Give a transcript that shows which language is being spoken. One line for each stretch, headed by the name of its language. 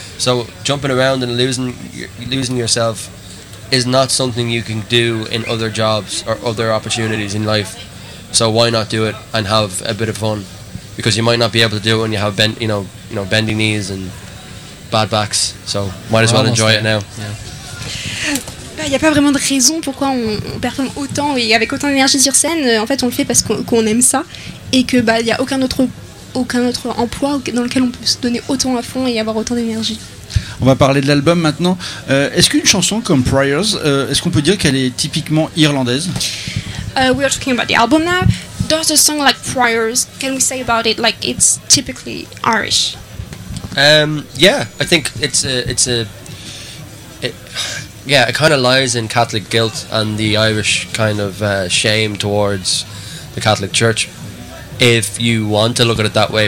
English: So jumping around and losing yourself is not something you can do in other jobs or other opportunities in life. So why not do it and have a bit of fun? Because you might not be able to do it when you have bending knees and bad backs. So might as well enjoy it now.
French: Il n'y a pas vraiment de raison pourquoi on performe autant et avec autant d'énergie sur scène. En fait, on le fait parce qu'on aime ça et que il n'y a aucun autre emploi dans lequel on peut se donner autant à fond et avoir autant d'énergie. On va parler de l'album maintenant. Est-ce qu'une chanson comme Priors, est-ce qu'on peut dire qu'elle est typiquement irlandaise?
English: We are talking about the album now. Does a song like Priors, can we say about it like it's typically Irish? I think it kind of lies in Catholic guilt and the Irish kind of shame towards the Catholic Church, if you want to look at it that way.